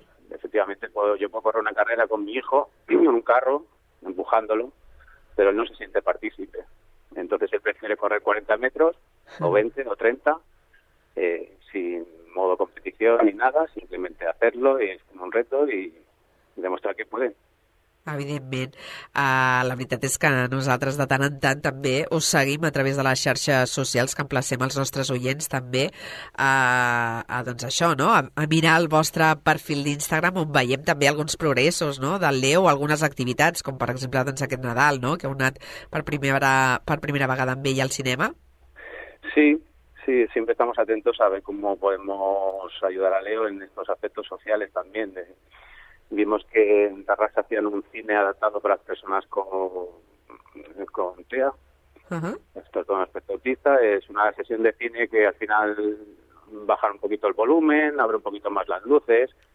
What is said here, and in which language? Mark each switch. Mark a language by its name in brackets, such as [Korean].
[Spanish] Efectivamente, yo puedo correr una carrera con mi hijo en un carro, empujándolo, pero él no se siente partícipe. Entonces él prefiere correr 40 metros, o 20, o 30, sin modo competición ni nada, simplemente hacerlo, y es como un reto, y demostrar que pueden. [Catalan] Evidentment, la veritat és que nosaltres de tant en tant també us seguim a través de les xarxes socials, que emplacem els nostres oients també a mirar el vostre perfil d'Instagram, on veiem també alguns progressos, no?, del Leo, algunes activitats, com per exemple doncs, aquest Nadal, no?, que heu anat per primera vegada amb ell al cinema. [Spanish] Sí, siempre estamos atentos a ver cómo podemos ayudar a Leo en estos aspectos sociales también, de... Vimos que en Tarrasa hacían un cine adaptado para las personas con TEA. Esto es un aspecto autista. Es una sesión de cine que al final bajar un poquito el volumen, abre un poquito más las luces.